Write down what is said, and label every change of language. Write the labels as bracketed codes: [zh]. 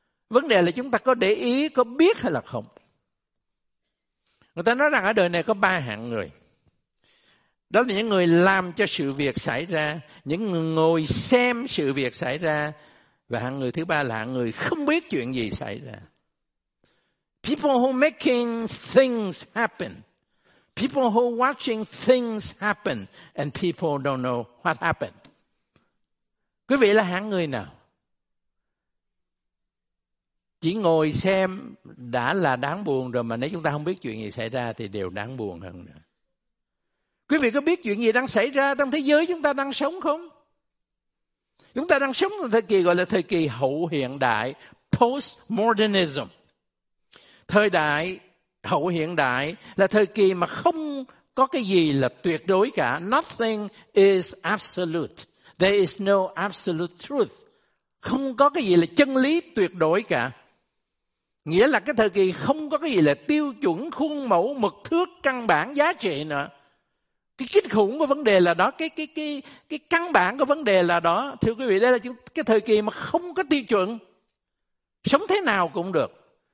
[vi] Vấn đề là chúng ta có để ý, có biết hay là không. Người ta nói rằng ở đời này có ba hạng người. Đó là những người làm cho sự việc xảy ra, những người ngồi xem sự việc xảy ra, và hạng người thứ ba là hạng người không biết chuyện gì xảy ra. [en] People who making things happen. People who watching things happen and people don't know what happened. [vi] Quý vị là hạng người nào? Chỉ ngồi xem đã là đáng buồn rồi, mà nếu chúng ta không biết chuyện gì xảy ra thì đều đáng buồn hơn nữa. Quý vị có biết chuyện gì đang xảy ra trong thế giới chúng ta đang sống không? Chúng ta đang sống trong thời kỳ gọi là thời kỳ hậu hiện đại, postmodernism. Thời đại hậu hiện đại là thời kỳ mà không có cái gì là tuyệt đối cả. [en] Nothing is absolute. There is no absolute truth. [vi] Không có cái gì là chân lý tuyệt đối cả. Nghĩa là cái thời kỳ không có cái gì là tiêu chuẩn, khuôn mẫu, mực thước, căn bản, giá trị nữa. Cái kinh khủng của vấn đề là đó, cái căn bản của vấn đề là đó. Thưa quý vị, đây là cái thời kỳ mà không có tiêu chuẩn. Sống thế nào cũng được.